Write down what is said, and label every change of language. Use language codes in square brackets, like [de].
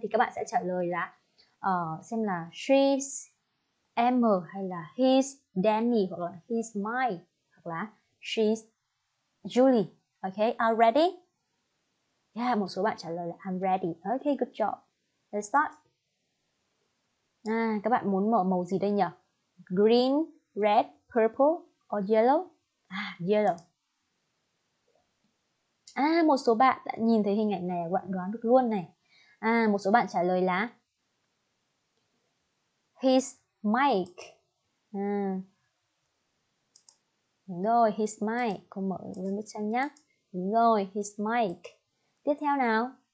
[vi] Thì các bạn sẽ trả lời là xem là [en] she's Emma [vi] hay là [en] he's Danny [vi] hoặc là [en] he's Mike [vi] hoặc là [en] she's Julie. Okay, are ready? Yeah, [vi] một số bạn trả lời là [en] I'm ready. Okay, good job. Let's start. [vi] À, các bạn muốn mở màu gì đây nhỉ? [en] Green, red, purple or yellow? À, yellow. [vi] À, một số bạn đã nhìn thấy hình ảnh này, bạn đoán được luôn này. À, một số bạn trả lời là [en] he's Mike. [vi] Đúng rồi, [en] he's Mike. [vi] Cô mở lên bức tranh nhé. Đúng rồi, he's Mike. Tiếp theo nào.